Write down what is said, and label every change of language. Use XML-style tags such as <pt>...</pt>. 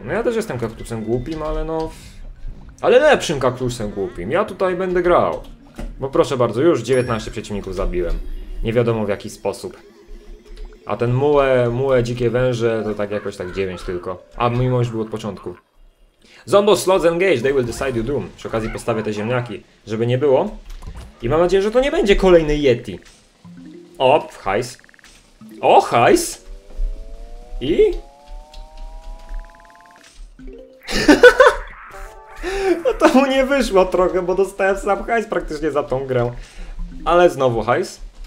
<pl>No ja też jestem kaktusem głupim, ale no... Ale lepszym kaktusem głupim. Ja tutaj będę grał. Bo proszę bardzo, już 19 przeciwników zabiłem. Nie wiadomo w jaki sposób. A ten mułe dzikie węże to tak jakoś tak 9 tylko. A mimo już był od początku.</pl> <en>Zombo slots engage, they will decide you doom.</en> <pl>Przy okazji postawię te ziemniaki, żeby nie było. I mam nadzieję, że to nie będzie kolejny Yeti. Op, hajs. O, hajs! I? No to mu nie wyszło trochę, bo dostałem sam hajs praktycznie za tą grę. Ale znowu hajs.</pl>